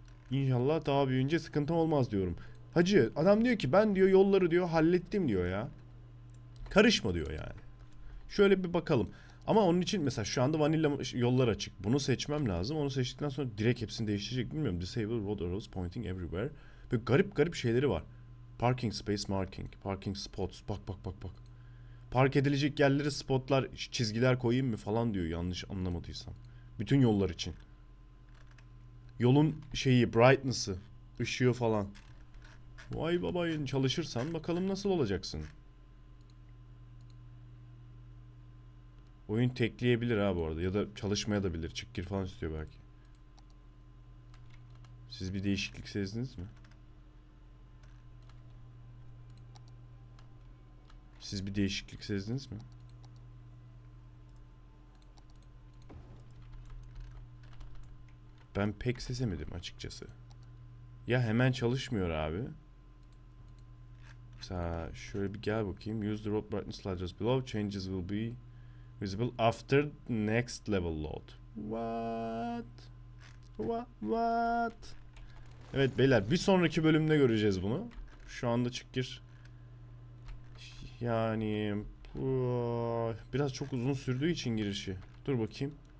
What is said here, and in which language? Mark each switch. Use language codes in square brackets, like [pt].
[tr] İnşallah daha büyüyünce sıkıntı olmaz diyorum. Hacı adam diyor ki ben diyor yolları diyor hallettim diyor ya. Karışma diyor yani. Şöyle bir bakalım. Ama onun için mesela şu anda vanilla yollar açık. Bunu seçmem lazım. Onu seçtikten sonra direkt hepsini değiştirecek bilmiyorum. [en] Disable road arrows pointing everywhere. [tr] Böyle garip garip şeyleri var. [en] Parking space marking, parking spots. [tr] Bak bak bak bak. Park edilecek yerleri spotlar, çizgiler koyayım mı falan diyor yanlış anlamadıysam. Bütün yollar için. Yolun şeyi, brightness'ı, ışığı falan. Vay babayın, çalışırsan bakalım nasıl olacaksın. Oyun tekleyebilir ha bu arada ya da çalışmaya da bilir. Çık gir falan istiyor belki. Siz bir değişiklik sezdiniz mi? Siz bir değişiklik sezdiniz mi? Ben pek sezemedim açıkçası. Ya hemen çalışmıyor abi. Mesela şöyle bir gel bakayım. [en] Use the road brightness light just below. Changes will be visible after next level load. What? What? [tr] Evet beyler, bir sonraki bölümde göreceğiz bunu. Şu anda çık gir. Yani bu biraz çok uzun sürdüğü için girişi. Dur bakayım.